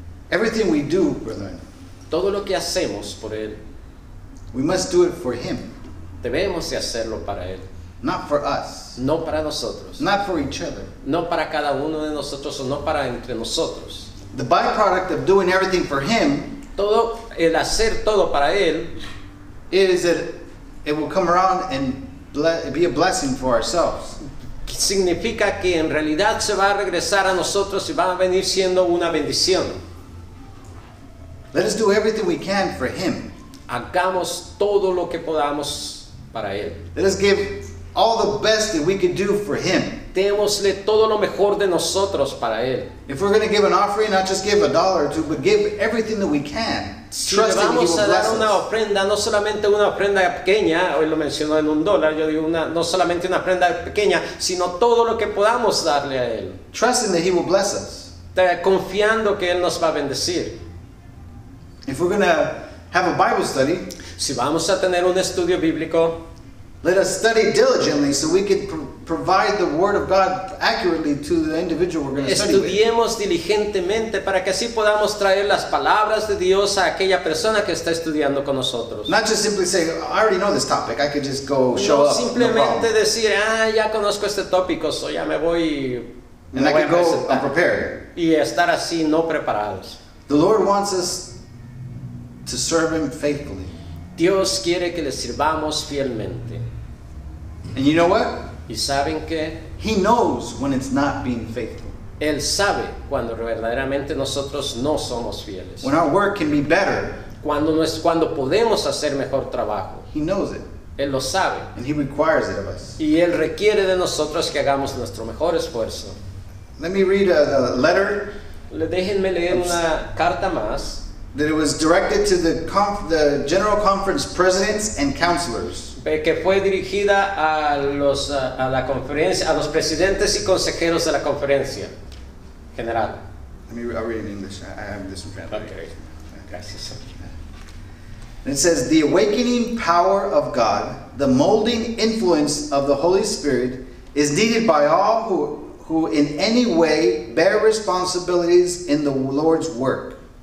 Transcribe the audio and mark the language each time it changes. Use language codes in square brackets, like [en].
[en] Everything we do, brethren, [es] todo lo que hacemos por Él, [en] we must do it for Him. [es] Debemos de hacerlo para Él. [en] Not for us. [es] No para nosotros. [en] Not for each other. [es] No para cada uno de nosotros o no para entre nosotros. [en] The byproduct of doing everything for Him, [es] todo el hacer todo para Él, [en] is that it will come around and be a blessing for ourselves. [es] Significa que en realidad se va a regresar a nosotros y va a venir siendo una bendición. [en] Let us do everything we can for Him. [es] Hagamos todo lo que podamos para Él. [en] Let us give all the best that we can do for Him. [es] Démosle todo lo mejor de nosotros para él. [en] If we're going to give an offering, not just give a dollar or two, but give everything that we can. [es] Si vamos a dar una ofrenda, no solamente una ofrenda pequeña, hoy lo mencionó en un dólar, yo digo una, no solamente una ofrenda pequeña, sino todo lo que podamos darle a él. [en] Trusting that he will bless us. [es] Confiando que él nos va a bendecir. [en] If we're going to have a Bible study, [es] si vamos a tener un estudio bíblico, [en] let us study diligently so we can provide the word of God accurately to the individual we're going to study with. [es] Estudiemos diligentemente para que así podamos traer las palabras de Dios a aquella persona que está estudiando con nosotros. [en] Not just simply say, I already know this topic, I could just go show up. [es] Simplemente decir, ah, ya conozco este tópico, so ya me voy. [en] And I could go unprepared. [es] Y estar así no preparados. [en] The Lord wants us to serve him faithfully. [es] Dios quiere que le sirvamos fielmente. [en] And you know what? [es] ¿Y saben qué? [en] He knows when it's not being faithful. [es] Él sabe cuando verdaderamente nosotros no somos fieles. [en] When our work can be better. [es] Cuando podemos hacer mejor trabajo. [en] He knows it. [es] Él lo sabe. [en] And he requires it of us. [es] Y él requiere de nosotros que hagamos nuestro mejor esfuerzo. [en] Let me read a letter. [es] Déjenme leer una carta más. [en] That it was directed to the General Conference presidents and counselors. [es] Que fue dirigida a los a la conferencia, a los presidentes y consejeros de la conferencia general. [en] I'll read in English. I have this in translation. Okay. [es] Gracias. [en] And it says, "The awakening power of God, the molding influence of the Holy Spirit, is needed by all who in any way bear responsibilities in the Lord's work.